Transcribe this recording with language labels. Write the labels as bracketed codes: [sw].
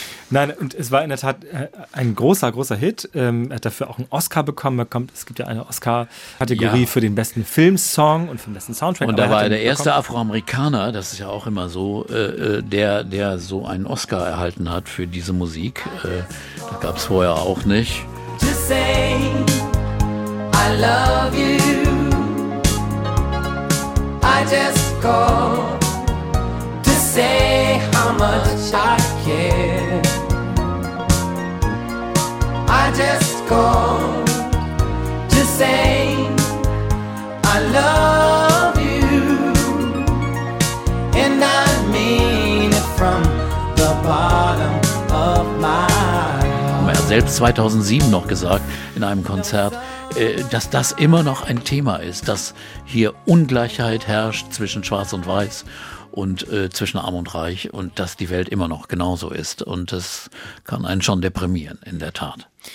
[de] Nein, und es war in der Tat ein großer, großer Hit. Er hat dafür auch einen Oscar bekommen. Es gibt ja eine Oscar-Kategorie für den besten Filmsong und für den besten Soundtrack. Und da war er der erste Afroamerikaner, das ist ja auch immer so, der so einen Oscar erhalten hat für diese Musik. Das gab es vorher auch nicht. [en] To say I love you, I just call to say how much I care. I just call to say I love you, and I mean it from the bottom of my heart. [de] Er selbst 2007 noch gesagt in einem Konzert, dass das immer noch ein Thema ist, dass hier Ungleichheit herrscht zwischen Schwarz und Weiß und zwischen Arm und Reich und dass die Welt immer noch genauso ist. Und das kann einen schon deprimieren, in der Tat.